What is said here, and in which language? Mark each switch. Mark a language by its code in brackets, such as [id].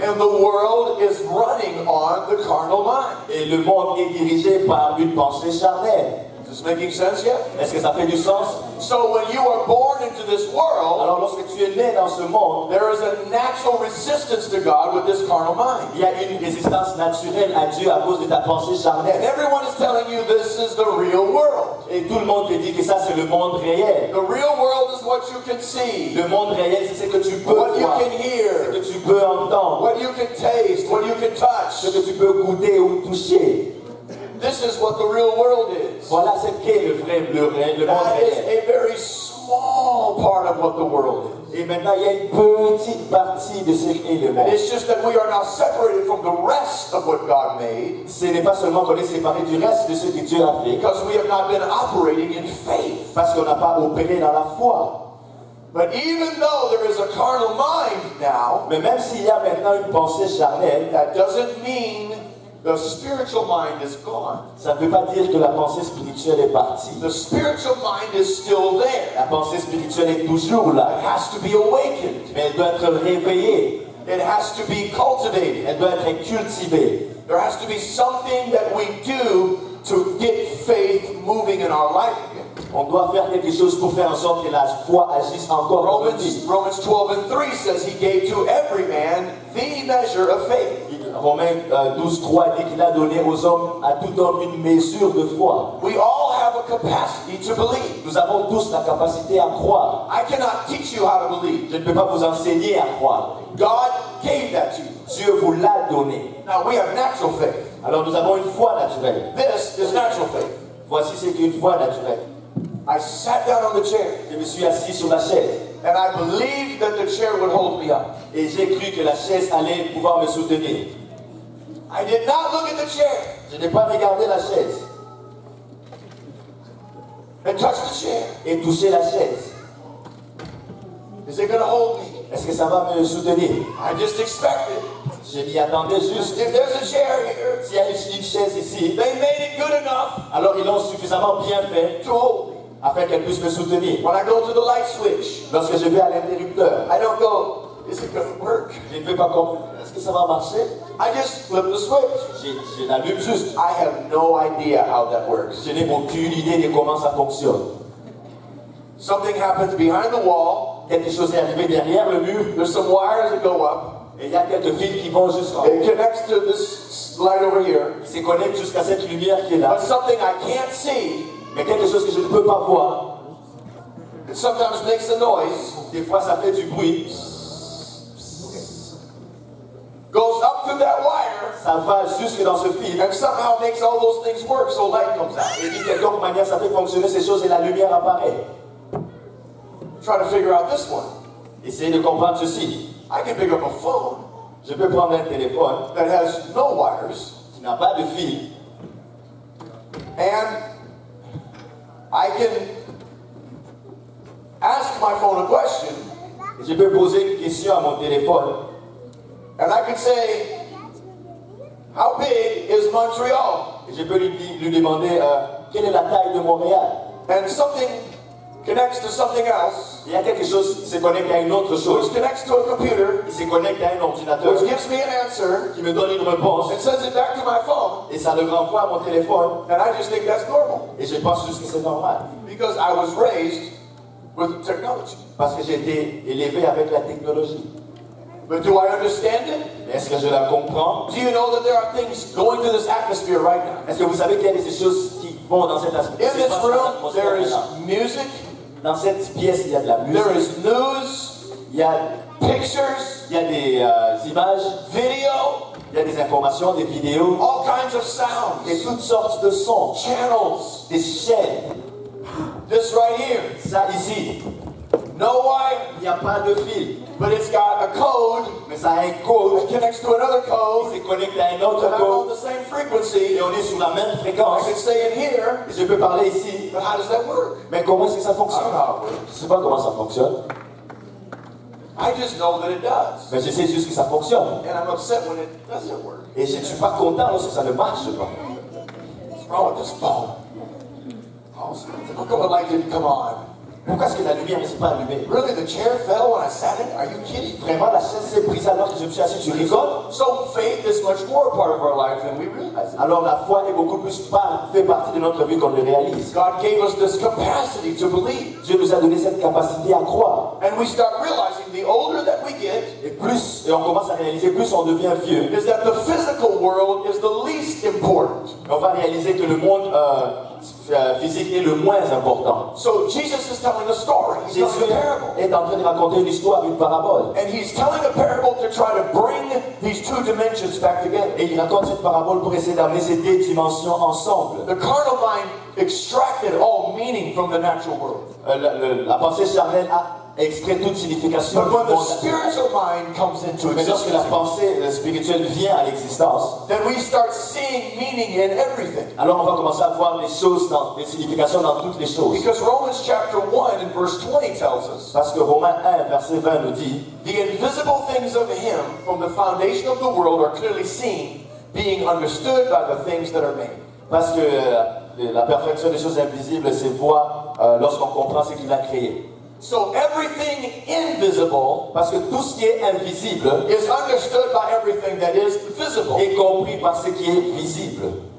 [en] And the world is running on the carnal mind. [fr] Et le monde est dirigé par une pensée charnelle. [en] Is this making sense yet? [fr] Est-ce que ça fait du sens? [en] So when you are born into this world. [fr] Alors lorsque tu es né dans ce monde. [en] There is a natural resistance to God with this carnal mind. [fr] Il y a une résistance naturelle à Dieu à cause de ta pensée charnelle. [en] And everyone is telling you this is the real world. [fr] Et tout le monde te dit que ça c'est le monde réel. [en] The real world is what you can see. [fr] Le monde réel c'est ce que tu peux [en] what [fr] voir. [en] What you can hear. [fr] Ce que tu peux entendre. [en] What you can taste. What you can touch. [fr] Ce que tu peux goûter ou toucher. [en] This is what the real world is. [fr] Voilà ce qu'est le vrai, le monde [en] that [fr] réel. [en] That is a very small part of what the world is. [fr] Et maintenant, il y a une petite partie de ce qu'est le monde. [en] And it's just that we are now separated from the rest of what God made. [fr] Ce n'est pas seulement qu'on est séparé du reste de ce que Dieu a fait. [en] Because we have not been operating in faith. [fr] Parce qu'on n'a pas opéré dans la foi. [en] But even though there is a carnal mind now, [fr] mais même s'il y a maintenant une pensée charnelle, [en] that doesn't mean the spiritual mind is gone. [fr] Ça ne veut pas dire que la pensée spirituelle est partie. [en] The spiritual mind is still there. [fr] La pensée spirituelle est toujours là. [en] It has to be awakened. [fr] Mais elle doit être réveillée. [en] It has to be cultivated. [fr] Elle doit être cultivée. [en] There has to be something that we do to get faith moving in our life. [fr] On doit faire quelque chose pour faire en sorte que la foi agisse encore. [en] Romans 12 and 3 says he gave to every man the measure of faith. [fr] Romains 12:3 dit qu'il a donné aux hommes, à tout homme, une mesure de foi. [en] We all have a capacity to believe. [fr] Nous avons tous la capacité à croire. [en] I cannot teach you how to believe. [fr] Je ne peux pas vous enseigner à croire. [en] God gave that to you. [fr] Dieu vous l'a donné. [en] Now we have natural faith. [fr] Alors nous avons une foi naturelle. [en] This is natural faith. [fr] Voici ce qu'est une foi naturelle. [en] I sat down on the chair. [fr] Je me suis assis sur la chaise. [en] And I believed that the chair would hold me up. [fr] Et j'ai cru que la chaise allait pouvoir me soutenir. [en] I did not look at the chair. [fr] Je n'ai pas regardé la chaise. [en] And touched the chair. [fr] Et touché la chaise. [en] Is it going to hold me? [fr] Est-ce que ça va me soutenir? [en] I just expected. [fr] Je m'y attendais juste. [en] If there's a chair here, [fr] s'il y a une chaise ici, [en] they made it good enough. [fr] Alors ils l'ont suffisamment bien fait. [en] To hold. [fr] Afin qu'elle puisse me soutenir. [en] When I go to the light switch, [fr] lorsque je vais à l'interrupteur, [en] I don't go, is it going to work? [fr] Je ne vais pas comprendre. Est-ce que ça va marcher? [en] I just flip the switch. [fr] Je l'allume juste. [en] I have no idea how that works. [fr] Je n'ai aucune idée de comment ça fonctionne. [en] Something happens behind the wall. [fr] Quelque chose est arrivé derrière le mur. [en] There's some wires that go up. [fr] Et il y a quelques fils qui vont jusqu'en haut. [en] It connects to this light over here. [fr] Il se connecte jusqu'à cette lumière qui est là. [en] But something I can't see. [fr] Mais quelque chose que je ne peux pas voir. [en] It sometimes makes a noise. [fr] Des fois, ça fait du bruit. [en] Goes up to that wire. [fr] Ça va jusque dans ce fil. [en] And somehow makes all those things work, so light comes out. [fr] Et d'une quelque manière, ça fait fonctionner ces choses et la lumière apparaît. [en] Try to figure out this one. [fr] Essayez de comprendre ceci. [en] I can pick up a phone. [fr] Je peux prendre un téléphone. [en] That has no wires. [fr] Qui n'a pas de fil. [en] And I can ask my phone a question. [fr] Je peux poser une question à mon téléphone. [en] And I can say, how big is Montreal? [fr] Et je peux lui demander, quelle est la taille de Montréal? [en] And something connects to something else. [fr] Il y a quelque chose qui se connecte à une autre chose. [en] Which connects to a computer. [fr] Il se connecte à un ordinateur. [en] Which gives me an answer. [fr] Qui me donne une réponse. [en] And sends it back to my phone. [fr] Et ça le renvoie à mon téléphone. [en] And I just think that's normal. [fr] Et je pense juste que c'est normal. [en] Because I was raised with technology. [fr] Parce que j'ai été élevé avec la technologie. [en] But do I understand it? [fr] Mais est-ce que je la comprends? [en] Do you know that there are things going to this atmosphere right now? [fr] Est-ce que vous savez qu'il y a des choses qui vont dans cette atmosphère? [en] In this room, there is music. [fr] Dans cette pièce, il y a de la musique. [en] There is news. [fr] Il y a [en] pictures. [fr] Il y a des images. [en] Video. [fr] Il y a des informations, des vidéos. [en] All kinds of sounds. [fr] Et toutes sortes de sons. [en] Channels. [fr] Des chaînes. [en] This right here. [fr] Ça ici. [en] No wire. [fr] Il n'y a pas de fil. [en] But it's got a code. [fr] Mais ça a un code. [en] It connects to another code. [fr] C'est connecté à un autre code. [en] And I'm on the same frequency. [fr] Et on est sur la même fréquence. [en] I can say it here. [fr] Et je peux parler ici. [en] But how does that work? [fr] Mais comment est-ce que ça fonctionne? [en] I don't know how it works. [fr] Je ne sais pas comment ça fonctionne. [en] I just know that it does. [fr] Mais je sais juste que ça fonctionne. [en] And I'm upset when it doesn't work. [fr] Et je ne suis pas content lorsque ça ne marche pas. [en] What's wrong with this phone? Awesome. How come the light didn't come on? [fr] Pourquoi est-ce que la lumière ne s'est pas allumée? [en] Really, the chair fell when I sat in? Are you kidding? [fr] Vraiment, la chaise s'est brisée alors que je me suis assis, tu rigoles? [en] So faith is much more part of our life than we realize. [fr] Alors la foi est beaucoup plus fait partie de notre vie qu'on le réalise. [en] God gave us this capacity to believe. [fr] Dieu nous a donné cette capacité à croire. [en] And we start realizing the older that we get, [fr] et on commence à réaliser plus on devient vieux, [en] is that the physical world is the least important. [fr] On va réaliser que le monde physique est le moins important. [en] So Jesus is telling a story. He's [fr] Jésus [en] telling a parable. [fr] Est en train de raconter une histoire, une parabole. [en] And he's telling a parable to try to bring these two dimensions back together. [fr] Et il raconte cette parabole pour essayer d'amener ces deux dimensions ensemble. [en] The carnal mind extracted all meaning from the natural world. [fr] La pensée charnelle a extrait toute signification. [en] But when the spiritual mind comes into existence, [fr] mais lorsque la pensée spirituelle vient à l'existence, [en] then we start seeing meaning in everything. [fr] Alors on va commencer à voir les choses dans les significations dans toutes les choses. [en] Because Romans chapter 1 and verse 20 tells us. [fr] Parce que Romains 1 verset 20 nous dit, [en] the invisible things of him from the foundation of the world are clearly seen, being understood by the things that are made. [fr] Parce que la perfection des choses invisibles se voit lorsqu'on comprend ce qu'il a créé. [en] So everything invisible, [fr] parce que tout ce qui est invisible, [en] is understood by everything that is visible, [fr] est compris par ce qui est visible.